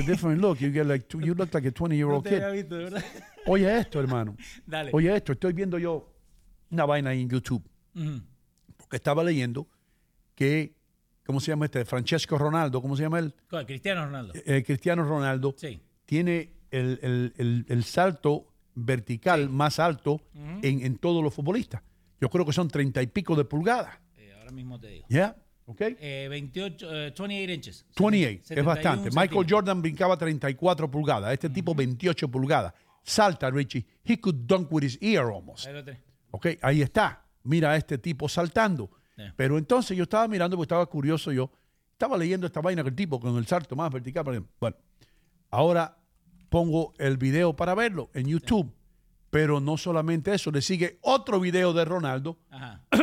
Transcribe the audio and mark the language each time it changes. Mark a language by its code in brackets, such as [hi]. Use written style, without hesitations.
[en] A different look, you look like a 20-year-old kid. [es] No te había visto, ¿verdad? Oye esto, hermano. Dale. Oye esto, estoy viendo yo una vaina ahí en YouTube. Porque estaba leyendo que, ¿cómo se llama este? Francesco Ronaldo, ¿cómo se llama él? Cristiano Ronaldo. Cristiano Ronaldo. Sí. Tiene el salto vertical más alto en todos los futbolistas. Yo creo que son 30 y pico de pulgadas. Ahora mismo te digo. [en] Yeah. Okay. 28 inches. [es] 28, es bastante. Michael Jordan brincaba 34 pulgadas. Este tipo 28 pulgadas. [en] Salta, Richie. He could dunk with his ear almost. [es] Okay, ahí está. Mira a este tipo saltando. Yeah. Pero entonces yo estaba mirando porque estaba curioso yo. Estaba leyendo esta vaina que el tipo con el salto más vertical. Bueno, ahora pongo el video para verlo en YouTube. Sí. Pero no solamente eso. Le sigue otro video de Ronaldo. Ajá.